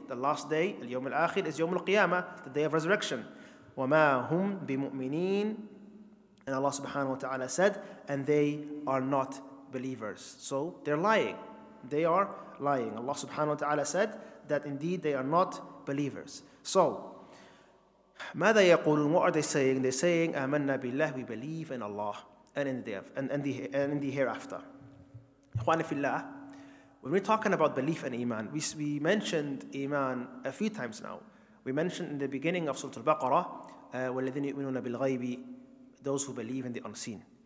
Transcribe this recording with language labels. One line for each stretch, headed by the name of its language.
English: The last day,
Arabic: اليوم الآخر,
English: is
Arabic: يوم القيامة,
English: the day of resurrection.
Arabic: وَمَا هُمْ بِمُؤْمِنِينَ
English: And Allah subhanahu wa ta'ala said, and they are not believers. So they're lying. They are lying. Allah subhanahu wa ta'ala said that indeed they are not believers.
Arabic: So, ماذا يقولون?
English: What are they saying? They're saying,
Arabic: آمنا بالله,
English: we believe in Allah and in the hereafter.
Arabic: إخواني في الله,
English: when we're talking about belief and iman, we mentioned iman a few times now. We mentioned in the beginning of Surah Al-Baqarah,
Arabic: وَالَّذِينَ يُؤْمِنُونَ بِالْغَيْبِ
English: those who believe in the unseen.